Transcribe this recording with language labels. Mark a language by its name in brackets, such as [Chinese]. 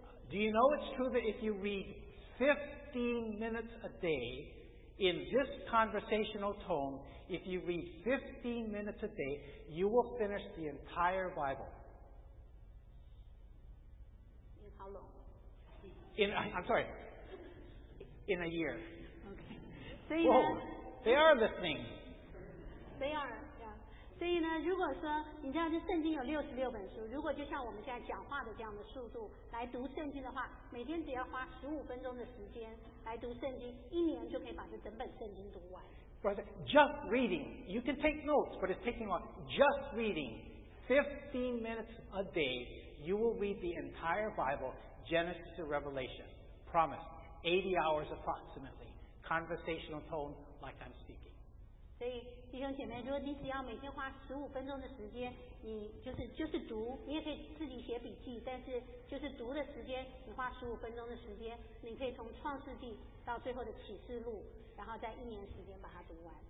[English] Do you know it's true that if you read 15 minutes a day in this conversational tone, if you read 15 minutes a day, you will finish the entire Bible? In how long? In a year. Okay. Whoa, they are listening. They are. [Chinese] 所以呢，如果说你知道这圣经有66本书，如果就像我们现在讲话的这样的速度来读圣经的话，每天只要花15分钟的时间来读圣经，一年就可以把这整本圣经读完。 [English] Brother, just reading, you can take notes, but it's taking long. Just reading, 15 minutes a day, you will read the entire Bible, Genesis to Revelation. Promise, 80 hours approximately, conversational tone, like I'm speaking. [Chinese] 所以弟兄姐妹，如果你只要每天花15分钟的时间，你就是读，你也可以自己写笔记，但是就是读的时间，你花15分钟的时间，你可以从创世纪到最后的启示录，然后在一年时间把它读完。